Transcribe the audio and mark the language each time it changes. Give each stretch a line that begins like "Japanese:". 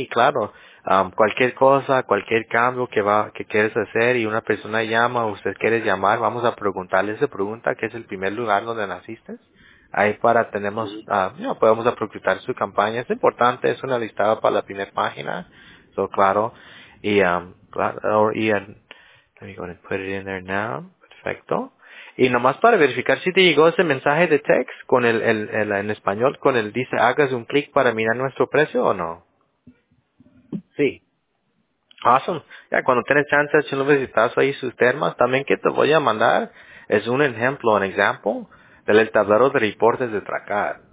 Spanish: Y claro, cualquier cosa, cualquier cambio que quieres hacer y una persona llama, usted quiere llamar, vamos a preguntarle esa pregunta, que es el primer lugar donde naciste. Ahí para tenemos, podemos aprovechar su campaña. Es importante, es una listada para la primera página. So, claro.
English: Y, let me go and put it in there now.
Spanish: Perfecto. Y nomás para verificar si te llegó ese mensaje de text con el en español, con el dice hagas un clic para mirar nuestro precio o no. Sí.
English: Awesome.
Spanish: Ya, cuando tienes chance, echenle un visitazo ahí sus termas. También que te voy a mandar es un ejemplo, un example del tablero de reportes de Tracar.